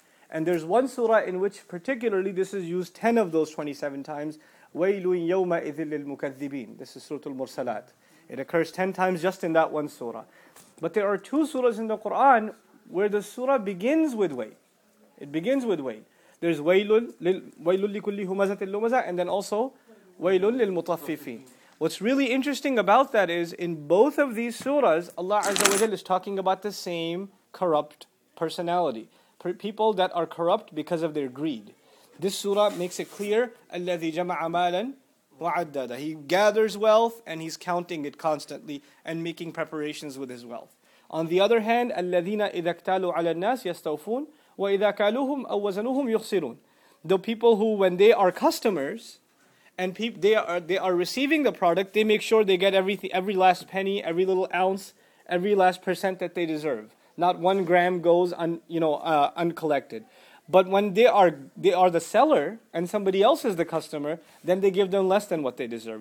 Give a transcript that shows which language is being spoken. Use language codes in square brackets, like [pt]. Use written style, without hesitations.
[en] And there's one surah in which particularly this is used 10 of those 27 times. [ar] وَيْلٌ يَوْمَئِذٍ لِلْمُكَذِّبِينَ. [en] This is Surah Al-Mursalat. It occurs 10 times just in that one surah. But there are two surahs in the Qur'an where the surah begins with wail. It begins with wail. There's [ar] وَيْلٌ لِكُلِّ هُمَزَةٍ لُمَزَةٍ, [en] and then also [ar] وَيْلٌ لِلْمُطَفِّفِينَ. [en] What's really interesting about that is in both of these surahs, Allah Azza wa Jal is talking about the same corrupt personality. People that are corrupt because of their greed. This surah makes it clear, [ar] الَّذِي جَمَعَ مَالًا [en] Mu'addada. He gathers wealth and he's counting it constantly and making preparations with his wealth. On the other hand, [ar] الَّذِينَ إِذَا اكْتَالُوا عَلَى النَّاسِ يَسْتَوْفُونَ وَإِذَا كَالُوهُمْ أَوْ وَزَنُوهُمْ يُخْسِرُونَ. [en] The people who, when they are customers, and they are receiving the product, they make sure they get every last penny, every little ounce, every last percent that they deserve. Not 1 gram goes uncollected. But when they are the seller and somebody else is the customer, then they give them less than what they deserve.